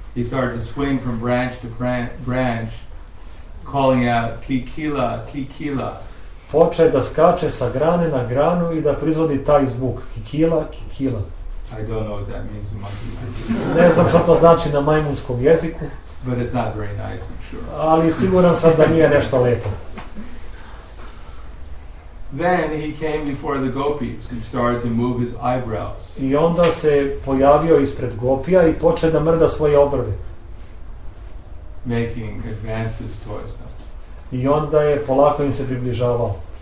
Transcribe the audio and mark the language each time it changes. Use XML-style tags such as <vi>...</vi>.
<en>He started to swing from branch to branch, calling out, Kikila, Kikila.</en> <sr>Počeo da skače sa grane na granu i da proizvodi taj zvuk. Kikila, kikila.</sr> <en>I don't know what that means in monkey language.</en> <sr>Ne znam što to znači na majmunskom jeziku.</sr> <en>But it's not very nice, I'm sure.</en> <sr>Ali siguran sam da nije nešto lepo.</sr> <en>Then he came before the gopis and started to move his eyebrows.</en> <sr>I onda se pojavio ispred gopija i počeo da mrda svoje obrve.</sr> <en>Making advances towards them.</en> <sr>I onda je polako im se približavao.</sr>